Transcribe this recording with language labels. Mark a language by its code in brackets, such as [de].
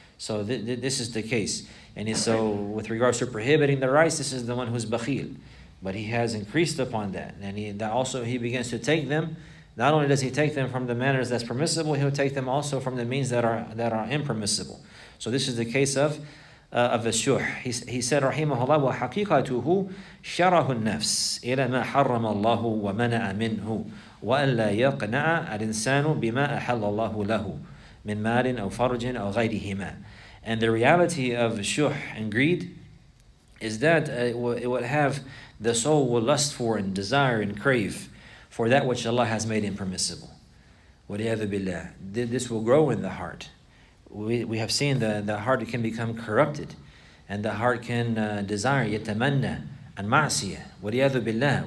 [en] So this is the case. And so with regards to prohibiting the rights, this is the one who's bakhil. But he has increased upon that. And he begins to take them. Not only does he take them from the manners that's permissible, he'll take them also from the means that are impermissible. So this is the case of الشح. He said rahimahullah, [ar] وحقيقته شره النفس إلى ما حرم الله ومنع منه وألا يقنع الإنسان بما أحل الله له من مال أو فرج أو غيرهما. [en] And the reality of shuh and greed is that it will have the soul will lust for and desire and crave for that which Allah has made impermissible. [ar] وَلِيَذَ بِاللَّهِ. [en] This will grow in the heart. We have seen the heart can become corrupted, and the heart can desire yatamanna and ma'asiyah waliyadu billah.